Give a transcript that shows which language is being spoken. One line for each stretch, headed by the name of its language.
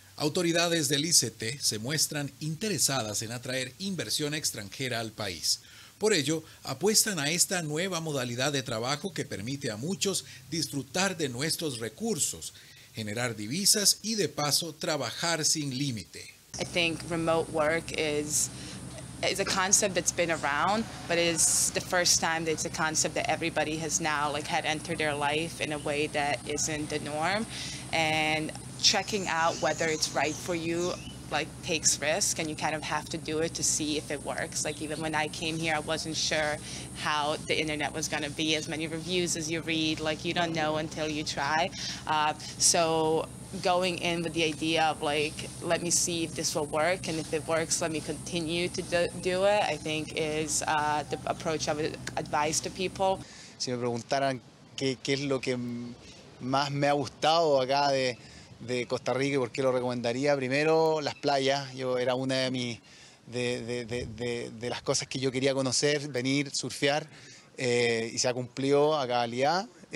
Spanish: Autoridades del ICT se muestran interesadas en atraer inversión extranjera al país. Por ello, apuestan a esta nueva modalidad de trabajo que permite a muchos disfrutar de nuestros recursos, generar divisas y, de paso, trabajar sin límite.
English: I think remote work is a concept that's been around, but it's the first time that it's a concept that everybody has now like had entered their life in a way that isn't the norm. And checking out whether it's right for you like takes risk, and you kind of have to do it to see if it works. Like even when I came here, I wasn't sure how the internet was going to be. As many reviews as you read, like you don't know until you try. So going in with the idea of like, let me see if this will work, and if it works, let me continue to do it, I think is the approach I would advise to people.
Spanish: Si me preguntaran qué es lo que más me ha gustado acá de Costa Rica y por qué lo recomendaría, primero las playas. Yo era una de mis de las cosas que yo quería conocer, venir, surfear, y se ha cumplido a cabalidad.